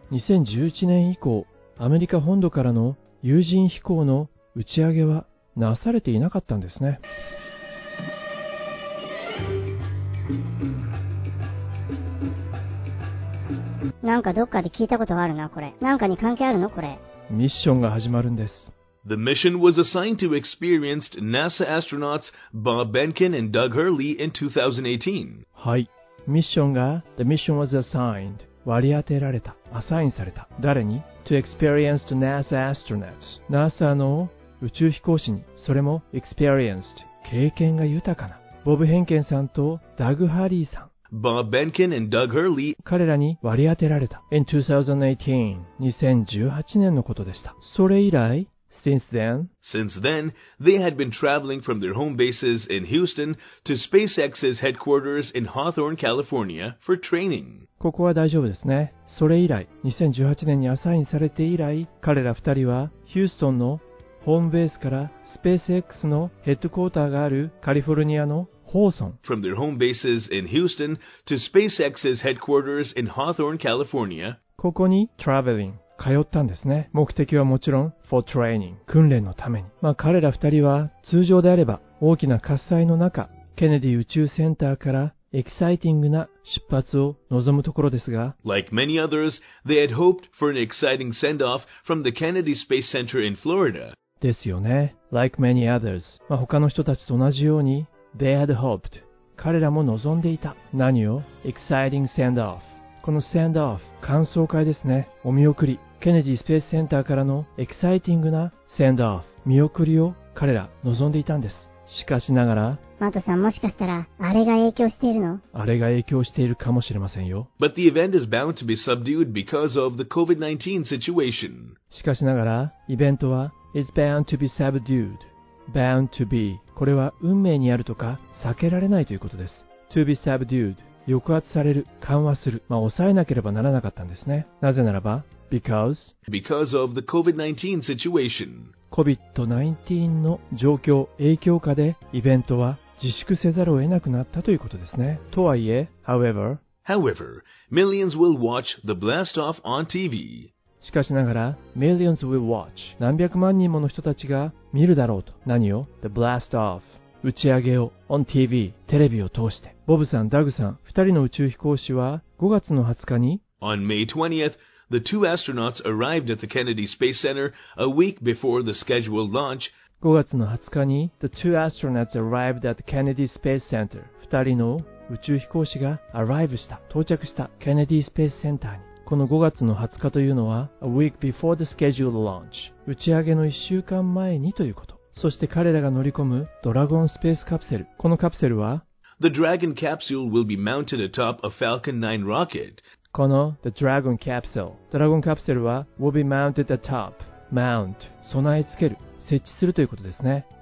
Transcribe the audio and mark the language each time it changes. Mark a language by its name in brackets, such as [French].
[Japanese] 2011年以降、アメリカ本土からの有人飛行の打ち上げはなされていなかったんですね。なんかどっかで聞いたことがあるな、これ。なんかに関係あるの、これ。ミッションが始まるんです。 [English] The mission was assigned to experienced NASA astronauts Bob Behnken and Doug Hurley in 2018. [Japanese] はい。ミッションが、 [English] The mission was assigned、 [Japanese] 割り当てられた、アサインされた。誰に？ [English] To experienced NASA astronauts。 [Japanese] NASA の宇宙飛行士に、それも experienced、 経験が豊かな、ボブ・ヘンケンさんとダグ・ハリーさん。 [English] Bob Behnken and Doug Hurley、 [Japanese] 彼らに割り当てられた。 [English] In 2018、 [Japanese] 2018年のことでした。それ以来、 [English] Since then, they had been traveling from their home bases in Houston to SpaceX's headquarters in Hawthorne, California for training. [Japanese] ここは大丈夫ですね。それ以来、2018年にアサインされて以来、彼ら二人はヒューストンのホームベースから SpaceX のヘッドクォーターがあるカリフォルニアのホーソン。 [English] From their home bases in Houston to SpaceX's headquarters in Hawthorne, California. [Japanese] ここに traveling、通ったんですね。目的はもちろん [English] for training、 [Japanese] 訓練のために。まあ彼ら二人は通常であれば大きな喝采の中、ケネディ宇宙センターからエキサイティングな出発を望むところですが、 [English] Like many others, they had hoped for an exciting send-off from the Kennedy Space Center in Florida. [Japanese] ですよね。 [English] Like many others. [Japanese] まあ他の人たちと同じように、 [English] They had hoped. [Japanese] 彼らも望んでいた。何を？ [English] Exciting send-off. [Japanese] この send-off、歓送会ですね。お見送り。 Kennedy Space Center からのエキサイティングな send-off。見送りを彼ら望んでいたんです。しかしながら、マトさん、もしかしたらあれが影響しているの？あれが影響しているかもしれませんよ。 [English] But the event is bound to be subdued because of the COVID-19 situation. [Japanese] しかしながら、イベントは [English] is bound to be subdued. Bound to be. [Japanese] これは運命にあるとか避けられないということです。 [English] To be subdued. [Japanese] 抑圧される、緩和する、まあ抑えなければならなかったんですね。なぜならば、 [English] because of the COVID-19 situation. [Japanese] COVID-19 の状況、影響下でイベントは自粛せざるを得なくなったということですね。とはいえ、 [English] However, millions will watch the blast-off on TV. [Japanese] しかしながら、 [English] millions will watch. [Japanese] 何百万人もの人たちが見るだろうと。何を？ [English] The blast-off. [Japanese] 打ち上げを。 [English] On TV. [Japanese] テレビを通して。ボブさん、ダグさん、二人の宇宙飛行士は5月の20日に [English] On May 20th,The two astronauts arrived at the Kennedy Space Center a week before the scheduled launch. [Japanese] 5月の20日に [English] The two astronauts arrived at the Kennedy Space Center. [Japanese] 2人の宇宙飛行士が arrive した、到着した Kennedy Space Center に。この5月の20日というのは [English] A week before the scheduled launch. [Japanese] 打ち上げの1週間前にということ。そして彼らが乗り込むドラゴンスペースカプセル。このカプセルは [English] The Dragon capsule will be mounted atop a Falcon 9 rocket. [Japanese] この The Dragon Capsule ドラゴンカプセルは [English] will be mounted atop [Japanese] mount 備え付ける設置するということですね。